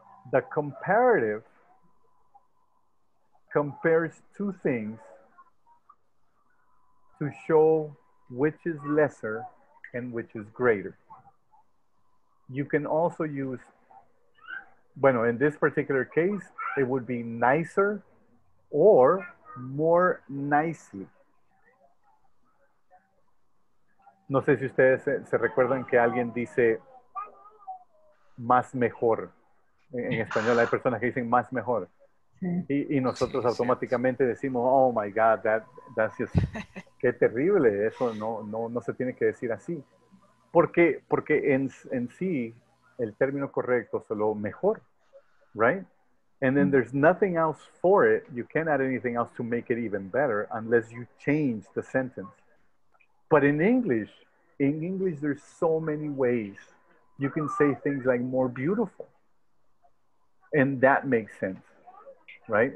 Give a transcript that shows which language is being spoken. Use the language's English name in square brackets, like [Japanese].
[English] The comparative compares two things to show which is lesser and which is greater. You can also use, bueno, in this particular case, it would be nicer or more nicely. [Spanish] No sé si ustedes se recuerdan que alguien dice más mejor. En español hay personas que dicen más mejor. Sí. Y nosotros automáticamente decimos, [English] oh my God, that's just, [Spanish] qué terrible. Eso no se tiene que decir así. Porque en sí, el término correcto es solo mejor, right? [English] And then there's nothing else for it. You can't add anything else to make it even better unless you change the sentence. But in English, there's so many ways. You can say things like more beautiful. And that makes sense, right?